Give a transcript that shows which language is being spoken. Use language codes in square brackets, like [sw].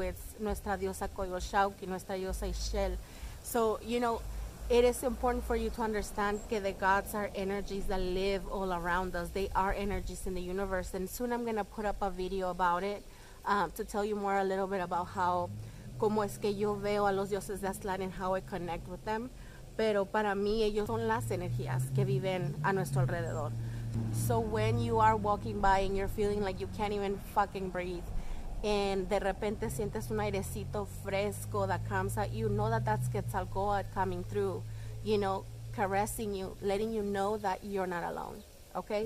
[en] It's [es] nuestra diosa Coyolxauhqui, nuestra diosa Ixchel. [en] So, you know, it is important for you to understand [es] que [en] the gods are energies that live all around us. They are energies in the universe. And soon I'm going to put up a video about it to tell you more a little bit about how, [es] como es que yo veo a los dioses de Aztlán [en] and how I connect with them. [es] Pero para mí, ellos son las energías que viven a nuestro alrededor. [en] So when you are walking by and you're feeling like you can't even fucking breathe, and [es] de repente sientes un airecito fresco [en] that comes at you, know that that's Quetzalcoatl coming through, you know, caressing you, letting you know that you're not alone, okay?